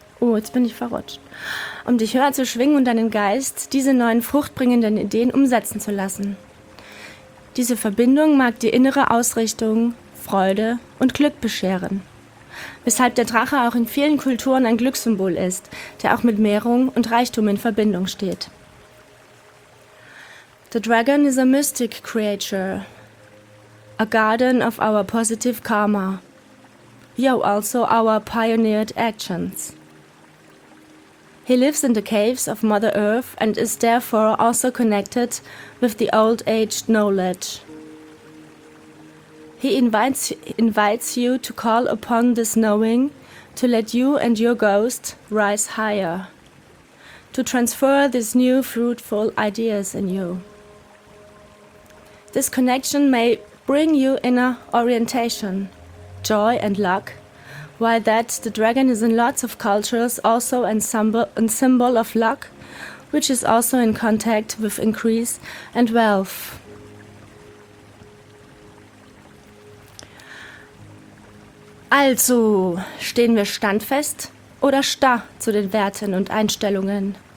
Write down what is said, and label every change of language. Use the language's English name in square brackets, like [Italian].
[German] Oh, jetzt bin ich verrutscht. Um dich höher zu schwingen und deinen Geist diese neuen fruchtbringenden Ideen umsetzen zu lassen. Diese Verbindung mag dir innere Ausrichtung, Freude und Glück bescheren. Weshalb der Drache auch in vielen Kulturen ein Glückssymbol ist, der auch mit Mehrung und Reichtum in Verbindung steht. [English] The dragon is a mystic creature, a guardian of our positive karma. Yo, also our pioneered actions. He lives in the caves of Mother Earth and is therefore also connected with the old age knowledge. He invites you to call upon this knowing to let you and your ghost rise higher, to transfer these new fruitful ideas in you. This connection may bring you inner orientation, joy and luck. While that, the dragon is in lots of cultures also a symbol of luck, which is also in contact with increase and wealth. [German] Also, stehen wir standfest oder starr zu den Werten und Einstellungen?